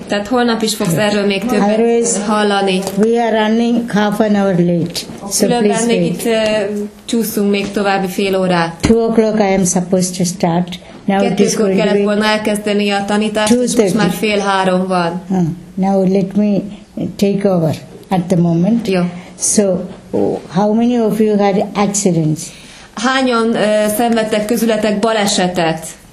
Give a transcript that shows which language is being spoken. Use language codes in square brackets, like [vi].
[hu] Tehát holnap is fogsz erről még többet hallani. [en] We are running half an hour late. So please wait. [hu] Itt csúszunk még további fél órát. [en] 2 o'clock I am supposed to start. Now [hu] kettőkor kellett volna elkezdeni a tanítást, 2:30. És most már 2:30 van. [en] Now let me take over at the moment. [hu] Jó. [en] So how many of you had accidents? [hu] Hányan szenvedtek közületek balesetet?